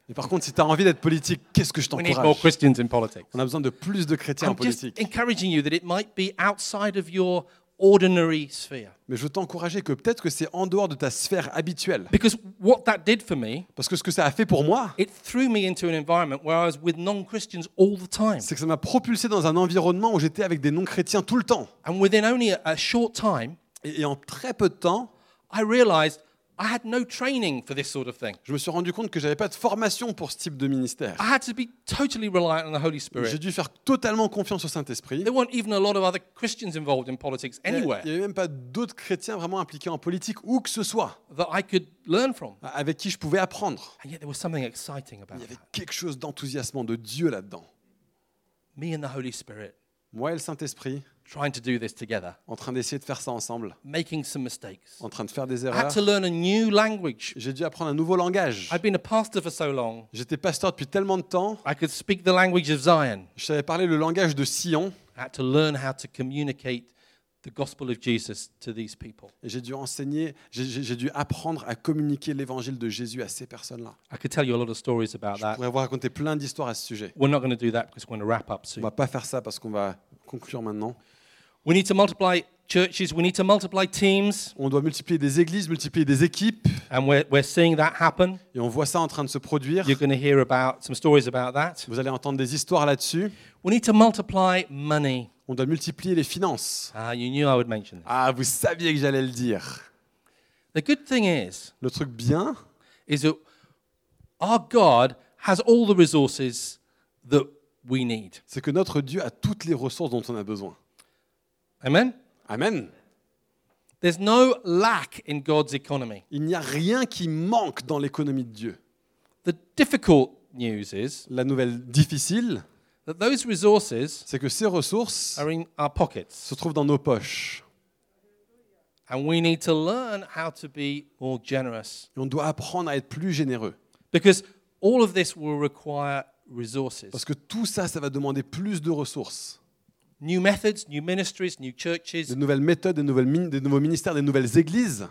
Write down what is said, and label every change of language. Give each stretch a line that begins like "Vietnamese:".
French: Et par contre, si tu as envie d'être politique, qu'est-ce que je t'encourage?
English: We need more Christians in politics.
French: On a besoin de plus de chrétiens
English: I'm
French: en politique.
English: Just encouraging you that it might be outside of your ordinary sphere.
French: Mais je veux t'encourager que peut-être que c'est en dehors de ta sphère habituelle.
English: Because what that did for me,
French: parce que ce que ça a fait pour moi,
English: it threw me into an environment where I was with non-Christians all the time.
French: C'est que ça m'a propulsé dans un environnement où j'étais avec des non-chrétiens tout le temps.
English: And within only a short time,
French: et en très peu de temps,
English: I realized I had no training for this sort of thing.
French: Je me suis rendu compte que j'avais pas de formation pour ce type de ministère.
English: I had to be totally reliant on the Holy Spirit.
French: J'ai dû faire totalement confiance au Saint-Esprit.
English: There weren't even a lot of other Christians involved in politics anywhere.
French: Il y avait même pas d'autres chrétiens vraiment impliqués en politique où que ce soit.
English: That I could learn from.
French: Avec qui je pouvais apprendre.
English: And yet there was something exciting about
French: it. Il y avait quelque chose d'enthousiasmant de Dieu là-dedans.
English: Me and the Holy Spirit.
French: Moi et le Saint-Esprit.
English: Trying to do this together.
French: En train d'essayer de faire ça ensemble.
English: Making some mistakes.
French: En train de faire des erreurs.
English: I had to learn a new language.
French: J'ai dû apprendre un nouveau langage.
English: I've been a pastor for so long.
French: J'étais pasteur depuis tellement de temps.
English: I could speak the language of Zion.
French: Je savais parler le langage de Sion.
English: I had to learn how to communicate the gospel of Jesus to these people.
French: Et j'ai dû enseigner, j'ai dû apprendre à communiquer l'évangile de Jésus à ces personnes-là.
English: I could tell you a lot of stories about that.
French: Je pourrais vous raconter plein d'histoires à ce sujet.
English: We're not going to do that because we're going to wrap up soon.
French: On va pas faire ça parce qu'on va conclure maintenant.
English: We need to multiply churches, we need to multiply teams.
French: On doit multiplier des églises, multiplier des équipes.
English: And we're seeing that happen.
French: Et on voit ça en train de se produire.
English: You're going to hear about some stories about that.
French: Vous allez entendre des histoires là-dessus.
English: We need to multiply money.
French: On doit multiplier les finances.
English: Ah, you knew I would mention this.
French: Ah, vous saviez que j'allais le dire.
English: The good thing is,
French: le truc bien,
English: is that our God has all the resources that we need.
French: C'est que notre Dieu a toutes les ressources dont on a besoin.
English: Amen.
French: Amen.
English: There's no lack in God's economy.
French: Il n'y a rien qui manque dans l'économie de Dieu.
English: The difficult news is
French: la nouvelle difficile,
English: that those resources,
French: c'est que ces ressources,
English: are in our pockets,
French: se trouvent dans nos poches.
English: And we need to learn how to be more generous.
French: Et on doit apprendre à être plus généreux.
English: Because all of this will require resources.
French: Parce que tout ça, ça va demander plus de ressources.
English: New methods, new ministries, new churches.
French: De nouvelles méthodes, de nouveaux ministères, de nouvelles églises.